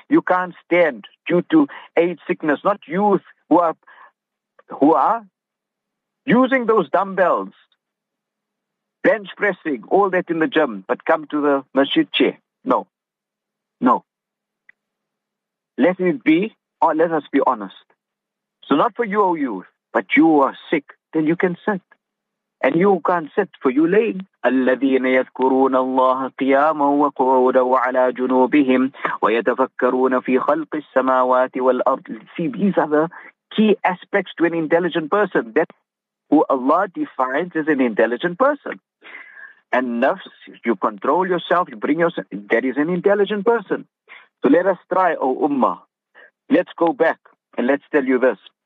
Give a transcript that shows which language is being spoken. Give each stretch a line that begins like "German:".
English: You can't stand due to age sickness, not youth who are using those dumbbells, bench pressing, all that in the gym, but come to the masjid chair. No. Let us be honest. So not for you, O youth, but you are sick, then you can sit. And you can't sit for you laying.
Arabic: الذين يذكرون الله قياما وقعودا وعلى جنوبهم ويتفكرون في خلق السماوات والأرض.
English: See, these are the key aspects to an intelligent person. That's who Allah defines as an intelligent person. And nafs, you control yourself, you bring yourself, that is an intelligent person. So let us try, O Ummah. Let's go back and let's tell you this.